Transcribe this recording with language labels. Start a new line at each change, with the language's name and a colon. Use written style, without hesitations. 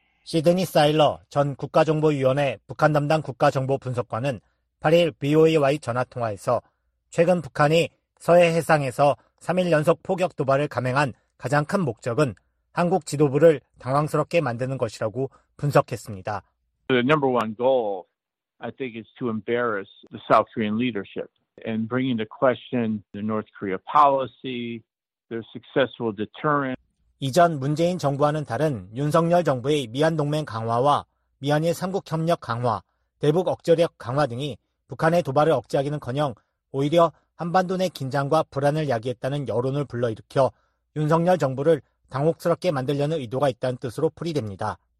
Korean: 시드니 사일러 전 국가정보위원회 북한 담당 국가정보분석관은 8일 BOA와의 전화통화에서 최근 북한이 서해 해상에서 3일 연속 포격 도발을 감행한 가장 큰 목적은 한국 지도부를 당황스럽게 만드는 것이라고 분석했습니다.
English: The number one goal, I think, is to embarrass the South Korean leadership and bring into question the North Korea policy, their successful deterrent.
Korean: 이전 문재인 정부와는 다른 윤석열 정부의 미한 동맹 강화와 미한일 3국 협력 강화, 대북 억제력 강화 등이 북한의 도발을 억제하기는커녕 오히려 한반도 내 긴장과 불안을 야기했다는 여론을 불러일으켜 윤석열 정부를 당혹스럽게 만들려는 의도가 있다는 뜻으로 풀이됩니다.